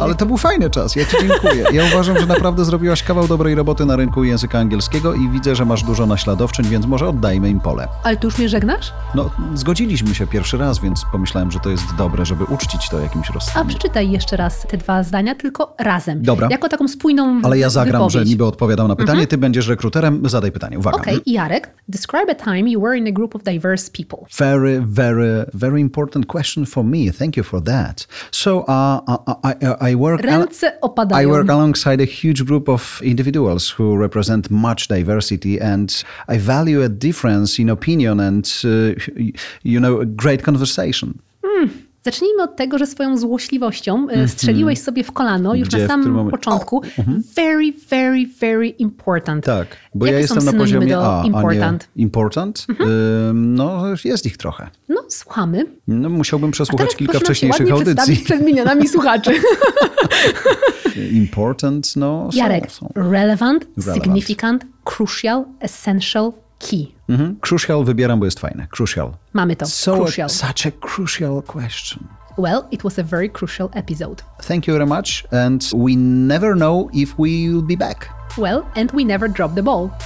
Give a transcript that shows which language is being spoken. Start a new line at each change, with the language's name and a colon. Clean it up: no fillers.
Polish: Ale to był fajny czas, ja ci dziękuję. Ja uważam, że naprawdę zrobiłaś kawał dobrej roboty na rynku języka angielskiego i widzę, że masz dużo naśladowczyń, więc może oddajmy im pole. Ale ty już mnie żegnasz? No, zgodziliśmy się pierwszy raz, więc pomyślałem, że to jest dobre, żeby uczcić to jakimś rozsądkiem. A przeczytaj jeszcze raz te dwa zdania, tylko razem. Dobra. Jako taką spójną wypowiedź. Ale ja zagram, wypowiedź. Że niby odpowiadam na pytanie, ty będziesz rekruterem, zadaj pytanie. Uwaga. Okej, okay, Jarek.
English: Describe a time you were in a group of diverse people. Very, very, very important question for me. Thank you for that. So, I work alongside a huge group of individuals who represent much diversity, and I value a difference in opinion and, you know, a great conversation.
Polish: Zacznijmy od tego, że swoją złośliwością strzeliłeś sobie w kolano już na samym początku.
English: Very, very, very important.
Polish: Tak, bo jakie ja jestem na poziomie A,
English: important?
Polish: A nie important? No, jest ich trochę. No, słuchamy. No, musiałbym przesłuchać kilka wcześniejszych audycji. Ładnie przed milionami słuchaczy. Important, no Jarek, są.
English: Relevant, significant, crucial, essential, key.
Polish: Crucial wybieram, bo jest fajne.
English: Crucial.
Polish: Mamy to.
English: So crucial. Such a crucial question. Well, it was a very crucial episode. Thank you very much. And we never know if we'll be back. Well, and we never drop the ball.